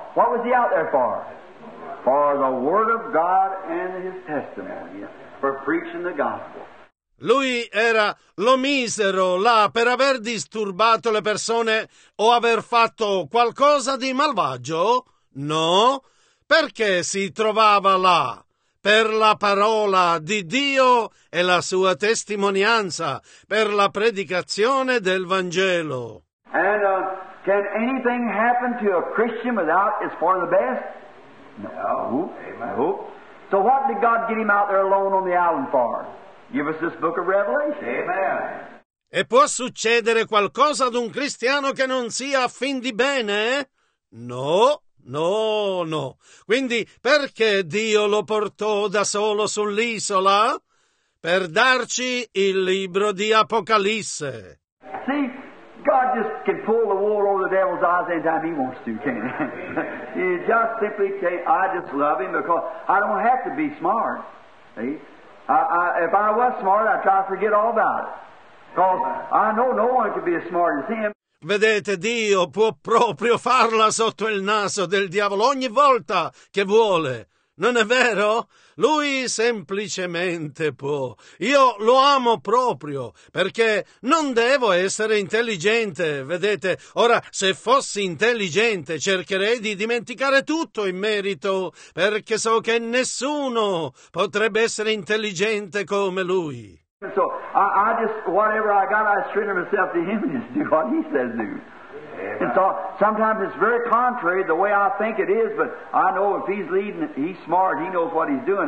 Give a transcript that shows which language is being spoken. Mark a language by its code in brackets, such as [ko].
[en] What was he out there for? For the word of God and his testimony. For preaching the gospel. [it] Lui era, lo misero là per aver disturbato le persone o aver fatto qualcosa di malvagio? No. Perché si trovava là? Per la parola di Dio e la sua testimonianza, per la predicazione del Vangelo. [en] And can anything happen to a Christian without is for the best? No. Amen. No. So what did God get him out there alone on the island for? Give us this book of Revelation. Amen. [it] E può succedere qualcosa ad un cristiano che non sia a fin di bene? No. No, no. Quindi perché Dio lo portò da solo sull'isola? Per darci il libro di Apocalisse. [en] See, God just can pull the wool over the devil's eyes anytime he wants to, can't he? He just simply can't. I just love him because I don't have to be smart. If I was smart, I'd try to forget all about it. Because I know no one could be as smart as him. [it] Vedete, Dio può proprio farla sotto il naso del diavolo ogni volta che vuole. Non è vero? Lui semplicemente può. Io lo amo proprio, perché non devo essere intelligente, vedete? Ora, se fossi intelligente, cercherei di dimenticare tutto in merito, perché so che nessuno potrebbe essere intelligente come lui. [en] So, I just, whatever I got, I straighten myself to him and just do what he says do. And so sometimes it's very contrary the way I think it is, but I know if he's leading, he's smart, he knows what he's doing.